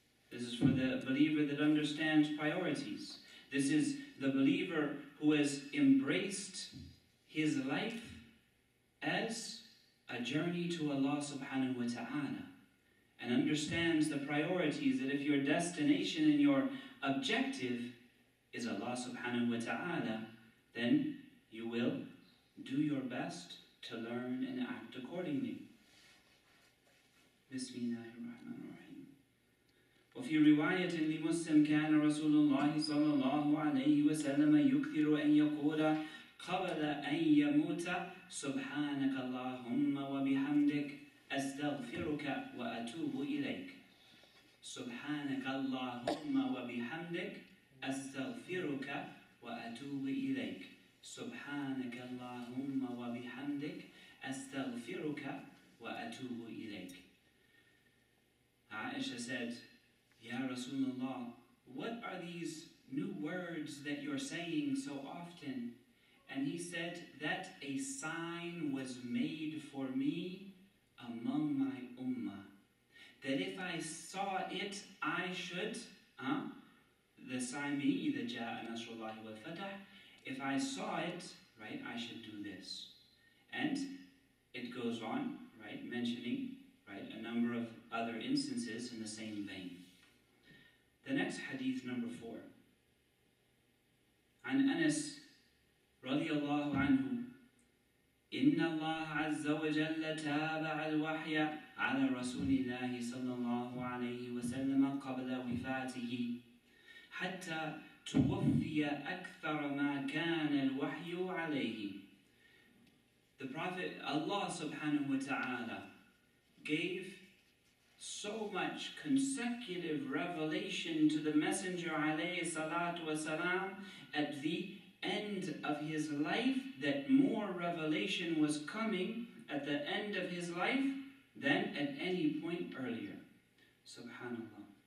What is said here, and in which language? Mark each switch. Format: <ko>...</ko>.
<en>This is for the believer that understands priorities. This is the believer who has embraced his life as a journey to Allah subhanahu wa ta'ala and understands the priorities, that if your destination and your objective is Allah subhanahu wa ta'ala, then you will do your best to learn and act accordingly. Bismillahirrahmanirrahim.</en> <ar>وفي رواية لمسلم كان رسول الله صلى الله عليه وسلم يكثر أن يقول قبل أن يموت سبحانك اللهم وبحمدك أستغفرك وأتوب إليك سبحانك اللهم وبحمدك أستغفرك وأتوب إليك سبحانك اللهم وبحمدك أستغفرك وأتوب إليك.</ar> <en>Aisha said, Ya Rasulullah, what are these new words that you're saying so often? And he said, that a sign was made for me among my ummah, that if I saw it, I should, the sign be either Ja'a Nasrullahi wa Fatah, if I saw it, right, I should do this. And it goes on, right, mentioning, right, a number of other instances in the same vein. The next hadith, number 4.</en> <ar>An Anas رضي الله عنه إن الله عز وجل تابع الوحي على رسول الله صلى الله عليه وسلم قبل وفاته حتى توفي أكثر ما كان الوحي عليه.</ar> <en>The Prophet Allah subhanahu wa ta'ala gave so much consecutive revelation to the Messenger alayhi salatu wa salam at the end of his life, that more revelation was coming at the end of his life than at any point earlier. Subhanallah.</en>